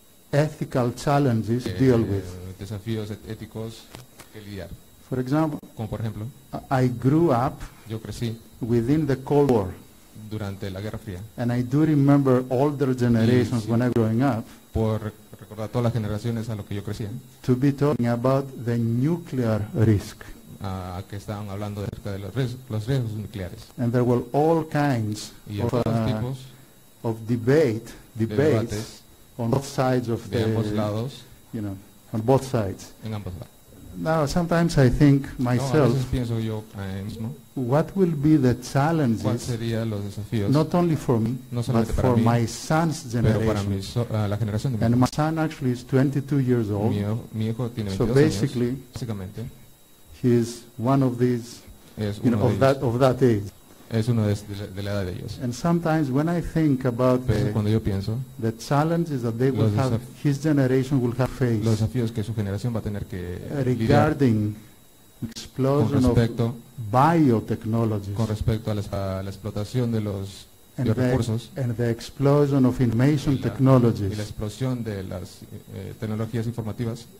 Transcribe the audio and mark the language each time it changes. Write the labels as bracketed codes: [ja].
[en] ethical challenges to deal with. [es] Desafíos éticos que lidiar. [en] For example, [es] como por ejemplo, [en] I grew up [es] yo crecí [en] within the Cold War [es] durante la Guerra Fría, [en] and I do remember older generations when I was growing up. [es] Por recordar todas las generaciones a lo que yo crecía. [en] To be talking about the nuclear risk. [es] Que estaban hablando acerca de los riesgos nucleares. [en] And there were all kinds of [es] tipos [en] of debates on both sides of [es] de ambos lados, [en] you know, on both sides. [es] En ambos lados. [en] Now, sometimes I think myself, [es] no, a veces pienso yo, mismo, [en] what will be the challenges, [es] ¿cuál sería los desafíos? [en] Not only for me, [es] no [en] but for [es] mí, [en] my son's generation. [es] Pero para la generación de [en] and [es] mi [en] my son actually is 22 years old. [es] Mi hijo tiene 22 [en] so basically, [es] años, básicamente, [en] he is one of these, you know, of that age. [es] Es uno de la edad de ellos. [en] And sometimes when I think about the challenges that they will have, his generation will have faced. [es] Los desafíos que su generación va a tener que [en] regarding explosion [es] con respecto [en] of biotechnologies. [es] Con respecto a la explotación de los recursos. [en] And the explosion of information technologies. [es] Y la explosión de las tecnologías informativas.